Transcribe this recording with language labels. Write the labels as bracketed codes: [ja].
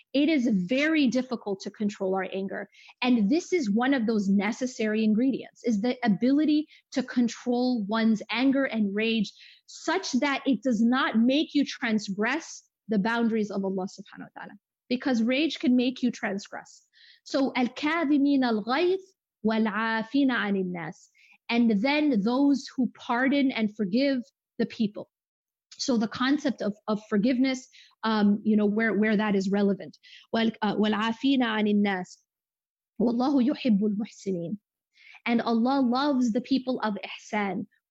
[en] It is very difficult to control our anger. And this is one of those necessary ingredients, is the ability to control one's anger and rage such that it does not make you transgress the boundaries of Allah subhanahu wa ta'ala. Because rage can make you transgress. [ar] So, الكاذمين الغيظ والعافين عن الناس. [en] And then those who pardon and forgive the people. So the concept of forgiveness, where that is relevant. [ar] والعافين عن الناس. والله يحب المحسنين. [en] And Allah loves the people of Ihsan.